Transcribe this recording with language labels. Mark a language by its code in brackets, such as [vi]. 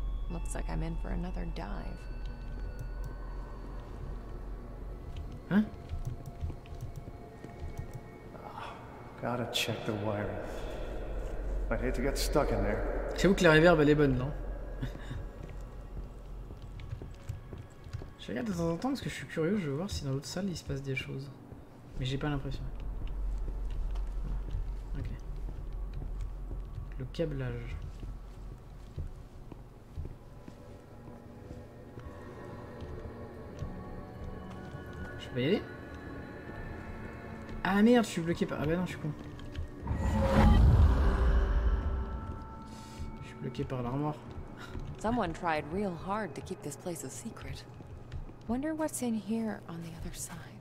[en] Looks like I'm in for another dive. Gotta check the wiring. I'd hate to get stuck in there. [fr] J'avoue que la réverb elle est bonne, non? Je regarde de temps en temps parce que je suis curieux, je veux voir si dans l'autre salle il se passe des choses. Mais j'ai pas l'impression. Ok. Le câblage. Je peux y aller ? Ah merde, je suis bloqué par... Ah bah non, je suis con. Je suis bloqué par l'armoire. [en] Someone tried real hard to keep this place a secret. Wonder what's in here on the other side.